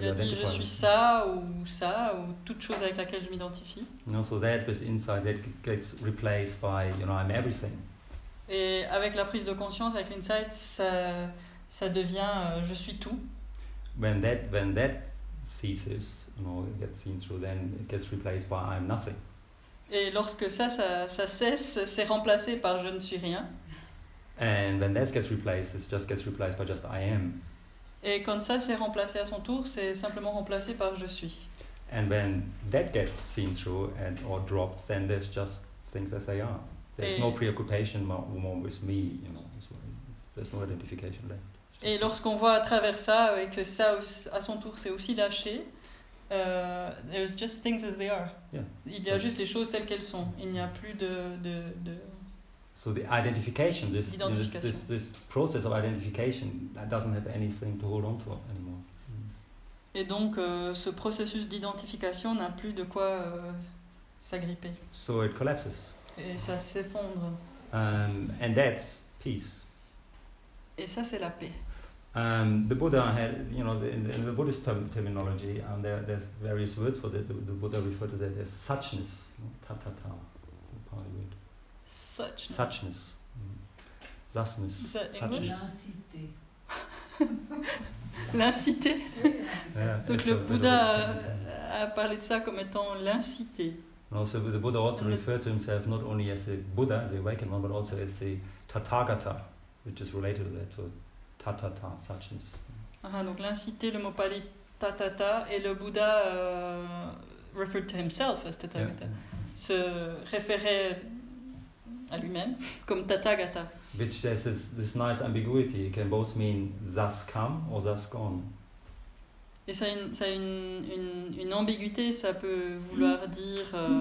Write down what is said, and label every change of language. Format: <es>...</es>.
<fr>Il a dit, je suis ça ou toute chose avec laquelle je m'identifie.</fr> <en>You know, so that was inside that gets replaced by, you know, I'm everything.</en> <fr>Et avec la prise de conscience, avec l'insight, ça devient, je suis tout.</fr> <en>When that ceases, you know, it gets seen through. Then it gets replaced by I'm nothing.</en> <fr>Et lorsque ça cesse, c'est remplacé par je ne suis rien.</fr> <en>And when that gets replaced, it just gets replaced by just I am.</en> <fr>Et quand ça s'est remplacé à son tour, c'est simplement remplacé par je suis.</fr> <en>And when that gets seen through and or dropped, then there's just things as they are. There's no preoccupation more with me, you know. There's no identification left.</en> <fr>Et lorsqu'on voit à travers ça et que ça à son tour c'est aussi lâché,</fr> <en>there's just things as they are. Yeah.</en> <fr>Il y a juste les choses telles qu'elles sont. Il n'y a plus de</fr> <en>So the identification, this process of identification, that doesn't have anything to hold on to anymore. Mm.</en> <fr>Et donc, ce processus d'identification n'a plus de quoi s'agripper.</fr> <en>So it collapses.</en> <fr>Et ça s'effondre.</fr> <en>And that's peace.</en> <fr>Et ça, c'est la paix.</fr> <en>The Buddha had, you know, in the Buddhist terminology, there's various words for that. The Buddha referred to that as suchness, ta-ta-ta, it's a Pali word. Suchness. Thusness. Suchness.</en> <fr>L'incité. L'incité. Donc le Bouddha a parlé de ça comme étant l'incité.</fr> <en>Also, the Buddha also referred to himself not only as a Buddha, the awakened one, but also as a Tathagata, which is related to that. So, Tathata, suchness.</en> <fr>Ah, donc l'incité, le mot pali Tathata, et le Bouddha</fr> <en>referred to himself as Tathagata. Yeah.</en> <fr>Se référait à lui-même, comme Tathagata.</fr> <en>Which has this nice ambiguity. It can both mean thus come or thus gone.</en> <fr>Et ça a une ambiguïté, ça peut vouloir dire</fr>